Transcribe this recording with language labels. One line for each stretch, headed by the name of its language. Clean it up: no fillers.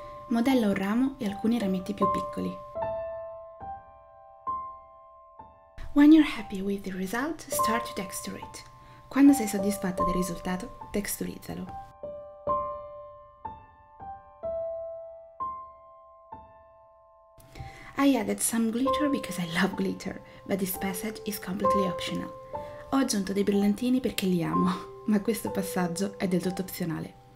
Italian: Modella un ramo e alcuni rametti più piccoli.
English: When you're happy with the result, start to texture it.
Italian: Quando sei soddisfatta del risultato, texturizzalo.
English: I added some glitter because I love glitter, but this passage is completely optional.
Italian: Ho aggiunto dei brillantini perché li amo, ma questo passaggio è del tutto opzionale.